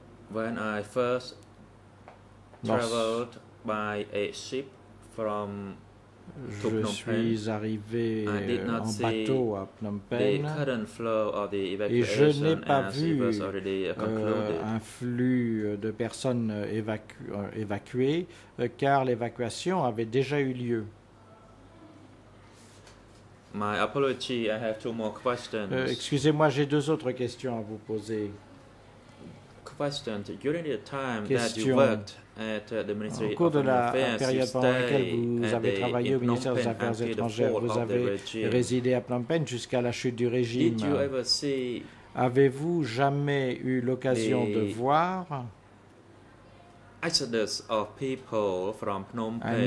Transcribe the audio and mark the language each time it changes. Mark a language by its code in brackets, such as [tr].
[en] when I first traveled by a ship from [fr] je suis arrivé en bateau à Phnom Penh et je n'ai pas vu un flux de personnes évacuées car l'évacuation avait déjà eu lieu. [en] My apology, I have two more questions. [fr] Excusez-moi, j'ai deux autres questions à vous poser. [en] Question: during the time that you worked at the Ministry [fr] au cours de la [en] Affairs, [fr] période pendant laquelle vous avez travaillé au ministère des Affaires étrangères, vous avez résidé à Phnom Penh jusqu'à la chute du régime. [en] Did you ever see [fr] avez-vous jamais eu l'occasion de voir [en] exodus of people from Phnom Penh